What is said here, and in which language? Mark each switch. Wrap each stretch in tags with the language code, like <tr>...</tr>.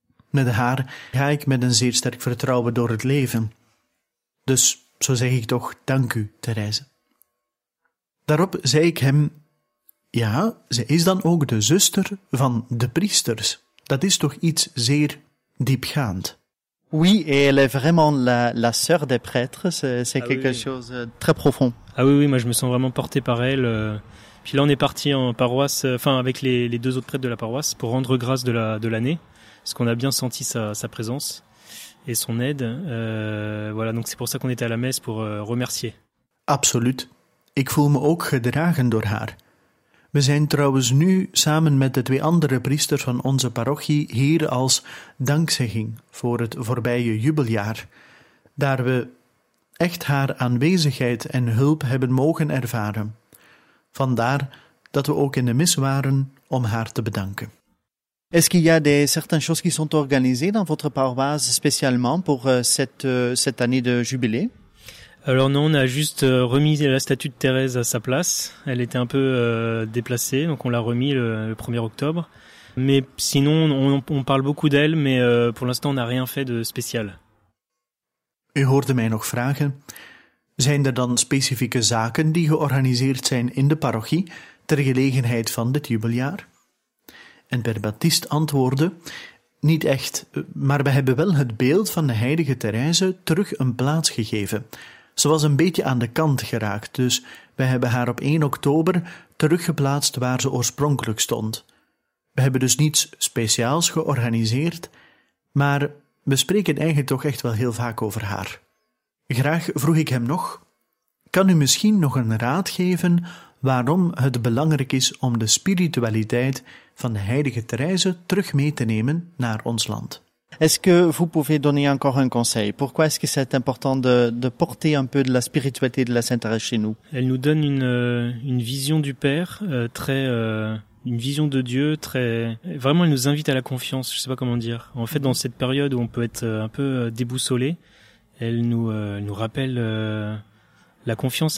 <nl>Met haar ga ik met een zeer sterk vertrouwen door het leven. Dus zo zeg ik toch, dank u, Thérèse. Daarop zei ik hem, ja, ze is dan ook de zuster van de priesters. Dat is toch iets zeer diepgaand.</nl> <fr>Oui, et elle est vraiment la sœur des prêtres. C'est quelque chose très profond. Ah oui, moi je me sens vraiment porté par elle. Puis là, on est parti en paroisse, enfin avec les deux autres prêtres de la paroisse, pour rendre grâce de l'année, parce qu'on a bien senti sa présence. Et son aide, donc c'est pour ça qu'on était à la messe, pour remercier.</fr> <nl>Absoluut. Ik voel me ook gedragen door haar. We zijn trouwens nu samen met de twee andere priesters van onze parochie hier als dankzegging voor het voorbije jubeljaar, daar we echt haar aanwezigheid en hulp hebben mogen ervaren. Vandaar dat we ook in de mis waren om haar te bedanken.</nl> <fr>Est-ce qu'il y a certaines choses qui sont organisées dans votre paroisse spécialement pour cette année de jubilé? Alors non, on a juste remis la statue de Thérèse à sa place. Elle était un peu déplacée, donc on l'a remis le 1er octobre. Mais sinon, on parle beaucoup d'elle, mais pour l'instant, on n'a rien fait de spécial.</fr> <nl>U hoorde mij nog vragen. Zijn er dan specifieke zaken die georganiseerd zijn in de parochie ter gelegenheid van dit jubeljaar? En Berbatist antwoordde, niet echt, maar we hebben wel het beeld van de heilige Thérèse terug een plaats gegeven. Ze was een beetje aan de kant geraakt, dus we hebben haar op 1 oktober teruggeplaatst waar ze oorspronkelijk stond. We hebben dus niets speciaals georganiseerd, maar we spreken eigenlijk toch echt wel heel vaak over haar. Graag vroeg ik hem nog, kan u misschien nog een raad geven waarom het belangrijk is om de spiritualiteit van de heilige Thérèse terug mee te nemen naar ons land?</nl> <fr>Est-ce que vous pouvez donner encore un conseil? Pourquoi est-ce que c'est important de porter un peu de la spiritualité de la Sainte Thérèse chez nous? Elle nous donne une vision du Père, une vision de Dieu très... Vraiment, elle nous invite à la confiance, je sais pas comment dire. En fait, dans cette période où on peut être un peu déboussolé, elle nous rappelle la confiance.</fr>